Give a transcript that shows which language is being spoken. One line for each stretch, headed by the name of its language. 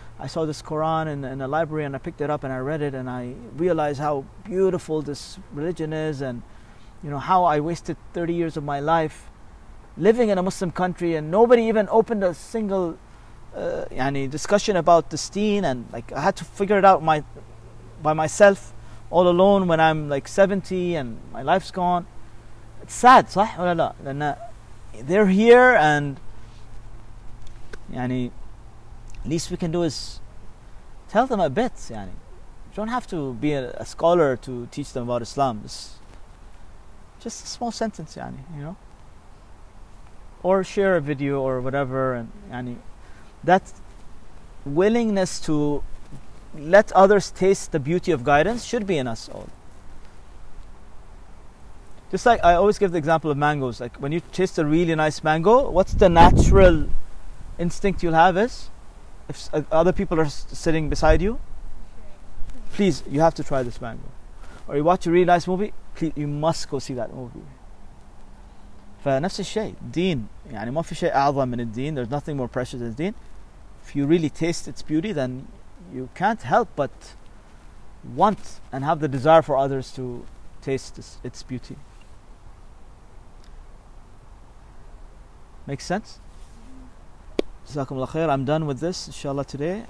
English: I saw this Quran in a library and I picked it up and I read it and I realized how beautiful this religion is, and you know, how I wasted 30 years of my life living in a Muslim country and nobody even opened a single discussion about this deen, and like I had to figure it out by myself all alone when I'm like 70 and my life's gone. It's sad,
Arabic: صح ولا لا?
English: They're here and yani, least we can do is tell them a bit. Yani, you don't have to be a scholar to teach them about Islam. It's just a small sentence, yani, you know, or share a video or whatever, and yani, that willingness to let others taste the beauty of guidance should be in us all. Just like I always give the example of mangoes, like when you taste a really nice mango, what's the natural instinct you'll have is, if other people are sitting beside you, please, you have to try this mango. Or you watch a really nice movie, please, you must go see that movie.
Arabic: فنفس الشيء, دين, يعني ما في شيء أعظم من الدين,
English: there's nothing more precious than
Arabic: الدين.
English: If you really taste its beauty, then you can't help but want and have the desire for others to taste its beauty. Make sense? Jazakum Allah khair. I'm done with this, inshallah, today.